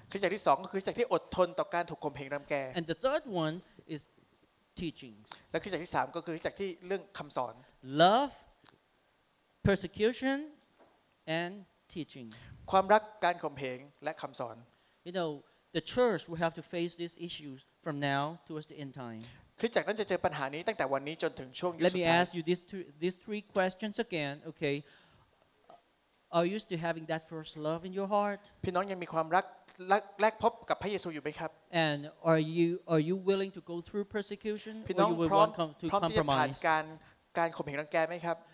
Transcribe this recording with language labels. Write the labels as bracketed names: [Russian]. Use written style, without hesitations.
[Thai] คริสตจักรที่2ก็คือคริสตจักรที่อดทนต่อการถูกข่มเหงรังแก [English] And the third one is teachings [Thai] และคริสตจักรที่3ก็คือคริสตจักรที่เรื่องคำสอน [English] LovePersecution and teaching. [Thai] ความรักการข่มเหงและคำสอน [English] You know, the church will have to face these issues from now towards the end time. [Thai] คริสตจักรนั้นจะเจอปัญหานี้ตั้งแต่วันนี้จนถึงช่วงยุคสุดท้าย [English] Let me ask you these three questions again, okay? Are you still having that first love in your heart? [Thai] พี่น้องยังมีความรักแรกพบกับพระเยซูอยู่ไหมครับ [English] And are you willing to go through persecution? [Thai] พี่น้องพร้อมที่จะผ่านการข่มเหงรังแกไหมครับ